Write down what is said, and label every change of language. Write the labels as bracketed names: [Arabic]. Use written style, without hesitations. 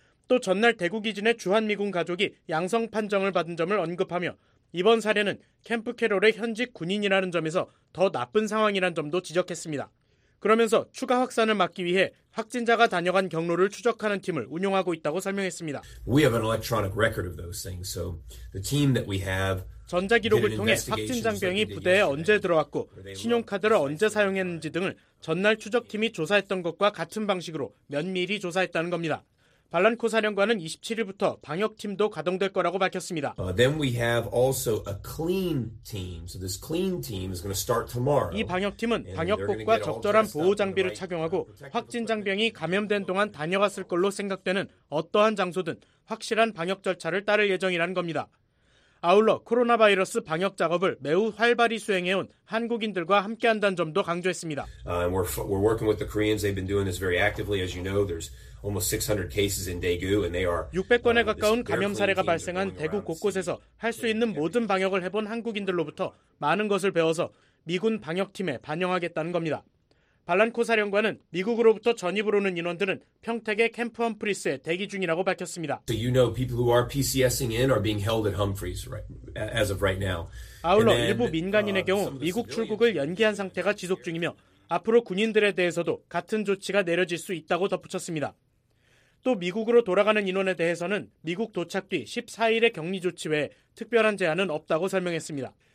[Korean] 또 전날 대구 기진의 주한미군 가족이 양성 판정을 받은 점을 언급하며 이번 사례는 캠프 캐롤의 현직 군인이라는 점에서 더 나쁜 상황이란 점도 지적했습니다. 그러면서 추가 확산을 막기 위해 확진자가 다녀간 경로를 추적하는 팀을 운영하고 있다고 설명했습니다. [English] We have an electronic record of those things, so the team that we have [Korean] 전자기록을 통해 확진 장병이 부대에 언제 들어왔고 신용카드를 언제 사용했는지 등을 전날 추적팀이 조사했던 것과 같은 방식으로 면밀히 조사했다는 겁니다. 발란코 사령관은 27일부터 방역팀도 가동될 거라고 밝혔습니다. [English] Then we have also a clean team. So this clean team is going to start tomorrow. [Korean] 이 방역팀은 방역복과 적절한 보호 장비를 착용하고 확진 장병이 감염된 동안 다녀갔을 걸로 생각되는 어떠한 장소든 확실한 방역 절차를 따를 예정이라는 겁니다. 아울러 코로나 바이러스 방역 작업을 매우 활발히 수행해온 한국인들과 함께한다는 점도 강조했습니다. [English] We're working with the Koreans. They've been doing this very actively. As you know, there's almost 600 cases in Daegu, and they are [Korean] 600건에 가까운 감염 사례가 발생한 대구 곳곳에서 할 수 있는 모든 방역을 해본 한국인들로부터 많은 것을 배워서 미군 방역팀에 반영하겠다는 겁니다. 발란코 사령관은 미국으로부터 전입을 오는 인원들은 평택의 캠프 험프리스에 대기 중이라고 밝혔습니다. [English] So you know people who are PCSing in are being held at Humphreys right as of right now. [Korean] 아울러 then, 일부 민간인의 경우 미국 출국을 연기한 상태가 지속 중이며 앞으로 군인들에 대해서도 같은 조치가 내려질 수 있다고 덧붙였습니다. 또 미국으로 돌아가는 인원에 대해서는 미국 도착 뒤 14일의 격리 조치 외에 특별한 제한은 없다고 설명했습니다.